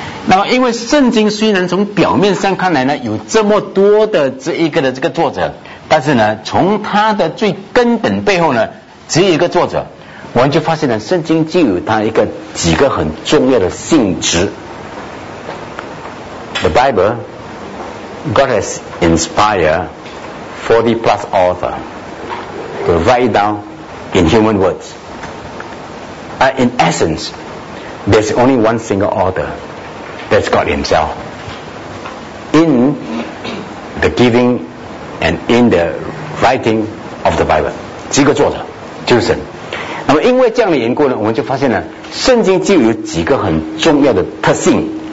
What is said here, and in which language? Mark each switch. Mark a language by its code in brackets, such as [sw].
[zh] 那么因为圣经虽然从表面上看来呢有这么多的这一个的这个作者，但是呢从它的最根本背后呢只有一个作者，我们就发现了圣经就有它一个几个很重要的性质。 [en] The Bible God has inspired 40 plus author to write down in human words、in essence there's only one single author, that's God himself, in the giving and in the writing of the Bible. [zh] 几个作者就是神。那么因为这样的缘故呢，我们就发现呢，圣经就有几个很重要的特性。